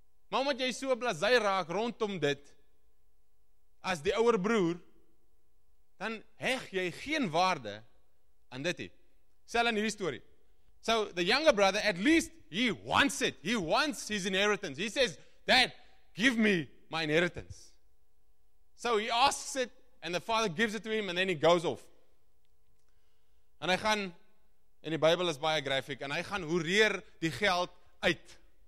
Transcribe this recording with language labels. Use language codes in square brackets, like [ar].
[af] Maar moet jy so blasé raak rondom dit as die ouer broer, dan heg jy geen waarde aan dit nie. Sel in hierdie story. [en] So the younger brother, at least he wants it. He wants his inheritance. He says, Dad, give me my inheritance. So he asks it and the father gives it to him and then he goes off. [af] En hy gaan, en die Bybel is baie graphic, en hy gaan hoereer die geld uit.